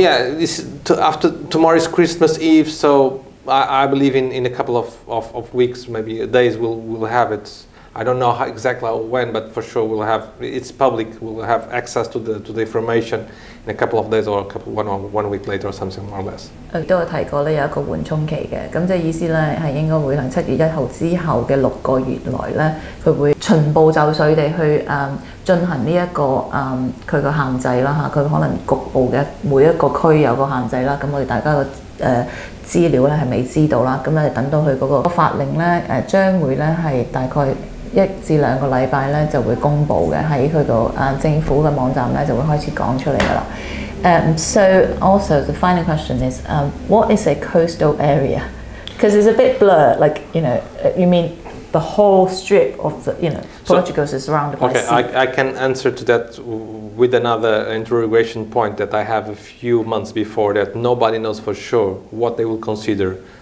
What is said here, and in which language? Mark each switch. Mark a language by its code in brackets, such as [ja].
[en] Or? Yeah, tomorrow is Christmas Eve, so I believe in a couple of weeks, maybe days, we'll have it. I don't know exactly when, but for sure we'll have, it's public, we'll have access to the information in a couple of days or one week later or something more or less. [yue] 我也有提過有一個緩衝期的，即是意思是應該會在7月1日之後的6個月內，它會循步驟水地去進行這個它的限制，它可能局部的每一個區有個限制，那我們大家的資料是未知道，那等到它那個法令將會是大概1至2個禮拜咧就會公布嘅，喺佢個政府嘅網站咧就會開始講出嚟噶啦。 [en] So also the final question is, what is a coastal area? Because it's a bit blur. Like you know, you mean the whole strip of the you know Portugal is surrounded by sea. Okay, I can answer to that with another interrogation point that I have a few months before that nobody knows for sure what they will consider.